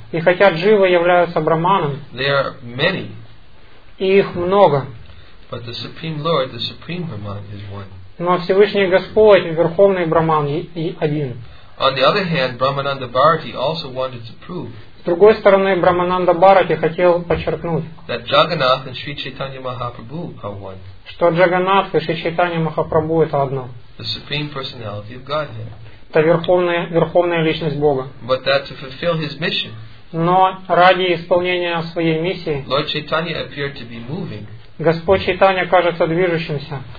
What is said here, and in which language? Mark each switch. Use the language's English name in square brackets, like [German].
[Russian] и хотя дживы являются Брахманом, [English] they are many, [Russian] и их много. [English] But the Supreme Lord, the Supreme Brahman, is one. [Russian] Но Всевышний Господь, Верховный Брахман, один. [English] On the other hand, Brahmananda Bharati also wanted to prove, [Russian] с другой стороны, Брахмананда Бхарати хотел подчеркнуть, [English] that Jagannath and Sri Chaitanya Mahaprabhu are one. [Russian] Что Джаганнат и Шри Чайтанья Махапрабху это одно. [English] The Supreme Personality of Godhead. [Russian] Это верховная личность Бога. [English] But that to fulfill his mission, [Russian] но ради исполнения своей миссии, [English] Lord Chaitanya appeared to be moving, [Russian] Господь Чайтанья кажется движущимся,